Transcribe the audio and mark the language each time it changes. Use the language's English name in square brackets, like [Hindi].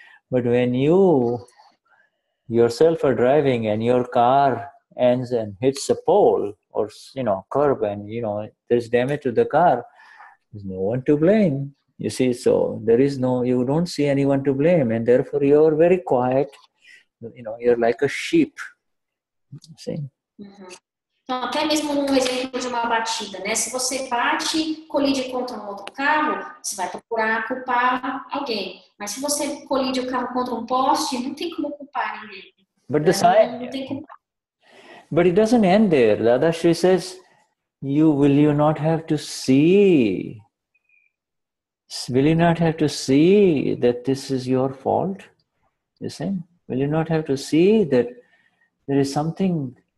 [English] But when you yourself are driving and your car ends and hits a pole or, you know, curb and, you know, there's damage to the car, there's no one to blame, you see? So there is no, you don't see anyone to blame, and therefore you're very quiet, you know, you're like a sheep, you see? Mm-hmm. [Portuguese] Então, até mesmo um exemplo de uma batida, né? Se você bate, colide contra um outro carro, você vai procurar culpar alguém. Mas se você colide o carro contra um poste, não tem como culpar ninguém. [English] But the sign, [Portuguese] não tem como culpar. [English] But it doesn't end there. The Adashri says, will you not have to see? Will you not have to see that this is your fault? You see? Will you not have to see that there is something...